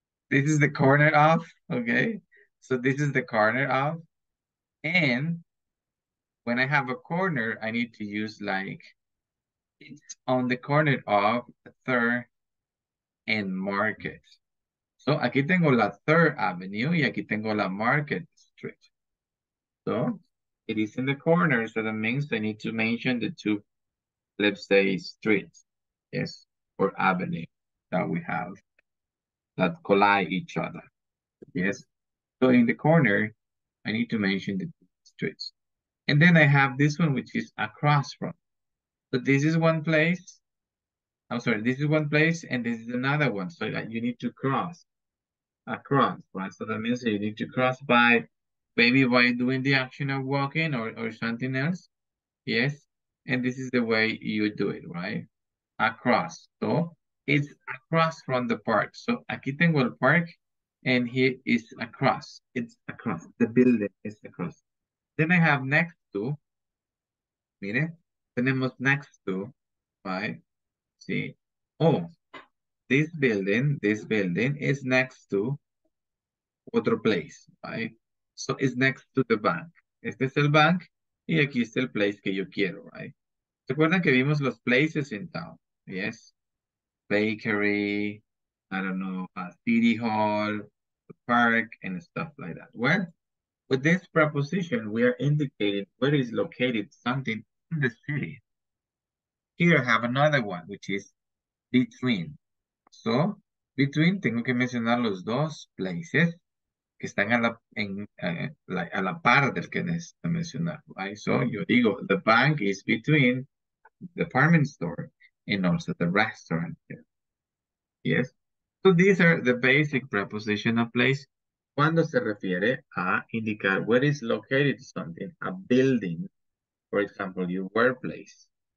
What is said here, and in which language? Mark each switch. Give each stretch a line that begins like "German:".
English: This is the corner of, okay? So this is the corner of. And when I have a corner, I need to use like, it's on the corner of 3rd and Market. So
Spanish: aquí tengo la 3rd Avenue y aquí tengo la Market Street.
English: So it is in the corner, so that means I need to mention the two, let's say, streets, yes, or avenue that we have that collide each other, yes? So in the corner, I need to mention the streets. And then I have this one, which is across from. So this is one place. I'm sorry, this is one place and this is another one. So you need to cross across, right? So that means you need to cross by maybe by doing the action of walking or something else. Yes. And this is the way you do it, right? Across. So it's across from the park. So
Spanish: aquí tengo el
English: park and here is across. It's across. The building is across. Then I have next to.
Spanish: Mire. Tenemos
English: next to, right? See? Oh, this building is next to
Spanish: otro
English: place, right? So it's next to the bank.
Spanish: Este es el bank y aquí está el place que yo quiero,
English: right?
Spanish: ¿Se acuerdan que vimos los places
English: in town? Yes. Bakery, I don't know, city hall, the park, and stuff like that. Well, with this preposition, we are indicating where is located something in the city. Here I have another one, which is between. So, between,
Spanish: tengo que mencionar los dos places que están a la par del que necesito mencionar,
English: right? So,
Spanish: yo digo,
English: the bank is between the department store and also the restaurant here. Yes? So, these are the basic preposition of place
Spanish: cuando se refiere a indicar
English: where is located something, a building, for example, your workplace.